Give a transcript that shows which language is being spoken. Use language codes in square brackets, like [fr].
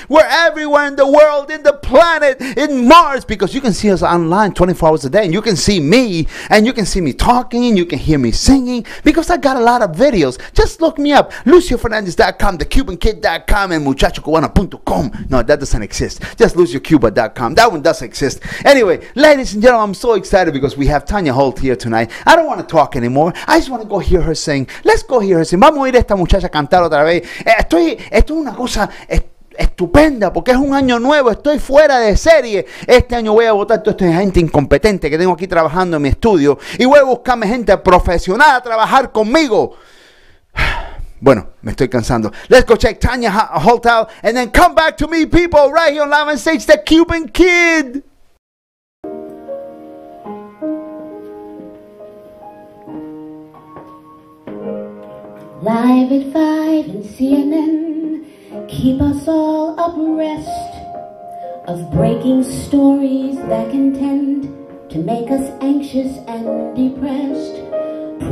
[en] We're everywhere in the world, in the planet, in Mars, because you can see us online 24 hours a day, and you can see me, and you can see me talking, and you can hear me singing, because I got a lot of videos. Just look me up, luciofernandez.com, thecubankid.com, and muchachocubana.com. No, that doesn't exist. Just LucioCuba.com. That one does exist. Anyway, ladies and gentlemen, I'm so excited because we have Tanya Holt here tonight. I don't want to talk anymore. I just want to go hear her sing. Let's go hear her sing. [es] Vamos a ir a esta muchacha a cantar otra vez. Esto es una cosa estupenda porque es un año nuevo. Estoy fuera de serie. Este año voy a votar toda esta gente incompetente que tengo aquí trabajando en mi estudio. Y voy a buscarme gente profesional a trabajar conmigo. Bueno, me estoy cansando. [en] Let's go check Tanya Holt out and then come back to me, people, right here on Live on Stage, the Cuban Kid. Live at 5 and CNN keep us all abreast of breaking stories that contend to make us anxious and depressed.